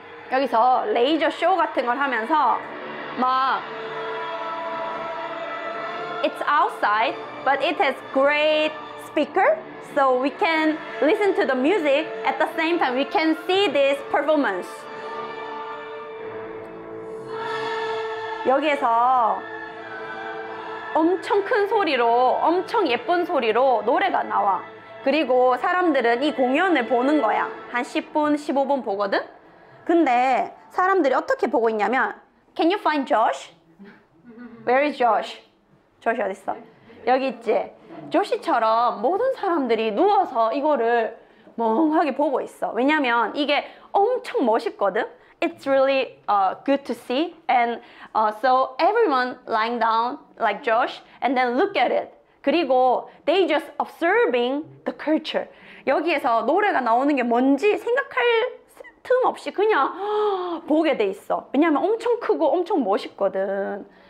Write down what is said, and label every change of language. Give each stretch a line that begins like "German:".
Korean: 여기서 레이저 쇼 같은 걸 하면서 막
English: It's outside, but it has great speaker, so we can listen to the music at the same time. We can see this performance.
Korean: 여기에서 엄청 큰 소리로, 엄청 예쁜 소리로 노래가 나와. 그리고 사람들은 이 공연을 보는 거야. 한 10분, 15분 보거든? 근데 사람들이 어떻게 보고 있냐면
English: Can you find Josh? Where is Josh?
Korean: Josh 어딨어? 여기 있지? Josh처럼 모든 사람들이 누워서 이거를 멍하게 보고 있어. 왜냐면 이게 엄청 멋있거든?
English: It's really good to see. And so everyone lying down like Josh and then look at it.
Korean: 그리고
English: they just observing the culture.
Korean: 여기에서 노래가 나오는 게 뭔지 생각할 틈 없이 그냥 보게 돼 있어. 왜냐면 엄청 크고 엄청 멋있거든.